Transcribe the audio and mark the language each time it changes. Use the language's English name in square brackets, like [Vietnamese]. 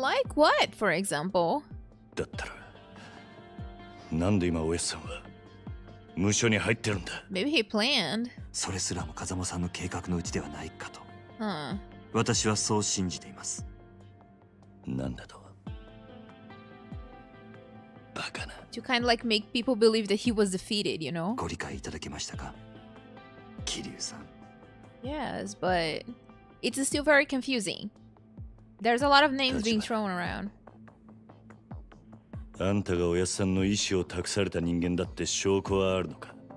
[English] Like what, for example? [Japanese] だったらなんで今おやすさんは無所に入ってるんだ。 [English] Maybe he planned. [Japanese] それすらも風間さんの計画のうちではないかと、 huh. 私はそう信じています。なんだと、バカな。 [English] To kind of like make people believe that he was defeated, you know? [Japanese] ご理解いただけましたか、キリュウさん。 [English] Yes, but it's still very confusing. There's a lot of names being thrown around. [Japanese] あんたがおやすさんの意思を託された人間だって証拠はあるのか。